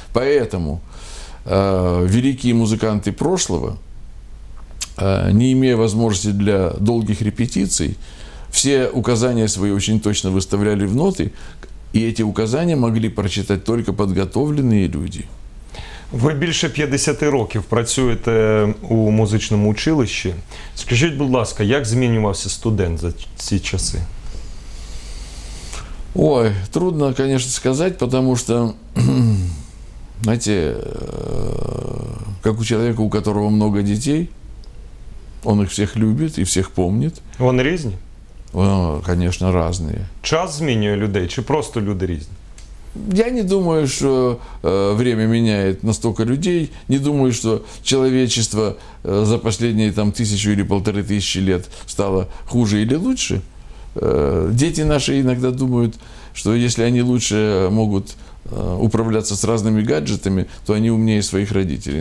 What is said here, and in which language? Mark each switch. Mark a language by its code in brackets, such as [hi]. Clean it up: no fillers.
[ru] Поэтому великие музыканты прошлого, не имея возможности для долгих репетиций, все указания свои очень точно выставляли в ноты, и эти указания могли прочитать только подготовленные люди. [uk] Ви більше 50 років працюєте у музичному училищі. Скажіть, будь ласка, як змінювався студент за ці часи? [ru] Ой, трудно, конечно, сказать, потому что, знаете, как у человека, у которого много детей, он их всех любит и всех помнит. [uk] Вони різні? [ru] Конечно, разные. [uk] Час змінює людей чи просто люди різні? [ru] Я не думаю, что время меняет настолько людей. Не думаю, что человечество за последние там, 1000 или 1500 лет стало хуже или лучше. Дети наши иногда думают, что если они лучше могут управляться с разными гаджетами, то они умнее своих родителей.